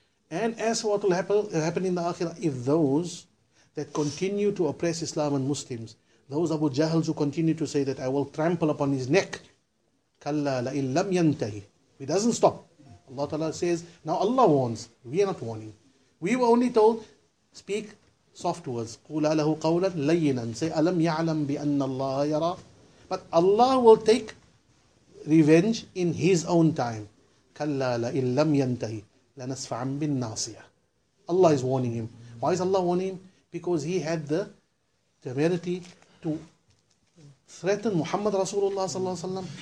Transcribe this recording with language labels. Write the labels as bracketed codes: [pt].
[en] And as what will happen in the Akhirah, if those that continue to oppress Islam and Muslims, those Abu Jahls who continue to say that I will trample upon his neck, kalla la illam yantahi, he doesn't stop. Allah Ta'ala says, now Allah warns, we are not warning. We were only told, speak soft words. [ar] قُولَ لَهُ قَوْلًا لَيِّنًا. Say, أَلَمْ يَعْلَمْ بِأَنَّ اللَّهَ يَرَى. [en] But Allah will take revenge in His own time. [ar] كَلَّا لَإِنْ لَمْ يَنْتَهِ لَنَسْفَعًا بِالنَّاصِيَةِ. [en] Allah is warning him. Why is Allah warning him? Because he had the temerity to threaten Muhammad Rasulullah صلى الله عليه وسلم.